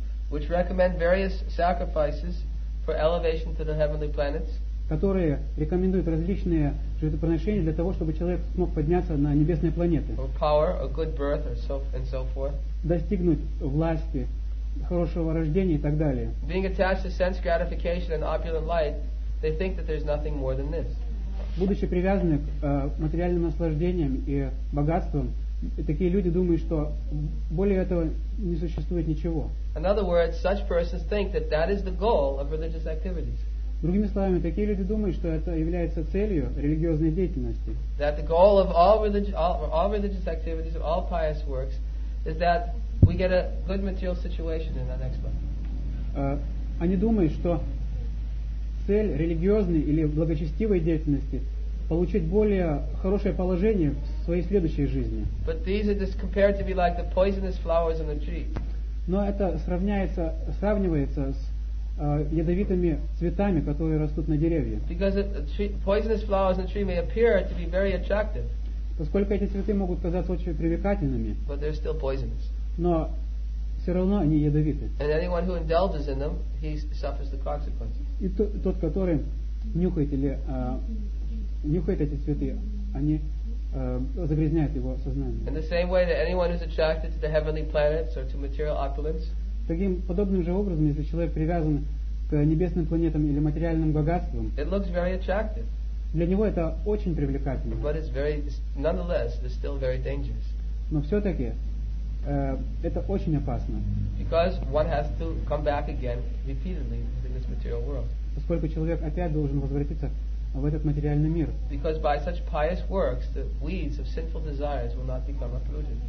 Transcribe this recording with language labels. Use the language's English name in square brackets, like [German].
[English] Which recommend various sacrifices for elevation to the heavenly planets. [Russian] Которые рекомендуют различные жертвоприношения для того, чтобы человек смог подняться на небесные планеты. [English] Or power, or good birth, or so, and so forth. [Russian] Достигнуть власти, хорошего рождения и так далее. [English] Being attached to sense gratification and opulent light, they think that there's nothing more than this. [Russian] Будучи привязаны к материальным наслаждениям и богатствам, такие люди думают, что более этого не существует ничего. [English] In other words, such persons think that that is the goal of religious activities. [Russian] Другими словами, такие люди думают, что это является целью религиозной деятельности. [English] That the goal of all religious activities, of all pious works, is that we get a good material situation in our next life. [Russian] Они думают, что цель религиозной или благочестивой деятельности получить более хорошее положение в своей следующей жизни. [English] But these are just compared to be like the poisonous flowers on the tree. [Russian] Но это сравнивается с ядовитыми цветами, которые растут на деревьях. [English] Because poisonous flowers on the tree may appear to be very attractive. [Russian] Поскольку эти цветы могут казаться очень привлекательными. [English] But they're still poisonous. [Russian] Но все равно они ядовиты. [English] And anyone who indulges in them, he suffers the consequences. [Russian] И тот, который нюхает или нюхает эти цветы, они загрязняют его сознание. [English] In the same way that anyone who's attracted to the heavenly planets or to material opulence. [Russian] Таким подобным же образом, если человек привязан к небесным планетам или материальным богатствам, [English] it looks very attractive. [Russian] Для него это очень привлекательно. [English] But it's very, nonetheless, it's still very dangerous. [Russian] Но все-таки это очень опасно. [English] Because one has to come back again repeatedly in this material world. [Russian] Поскольку человек опять должен возвратиться в этот материальный мир. [English] Because by such pious works, the weeds of sinful desires will not become uprooted.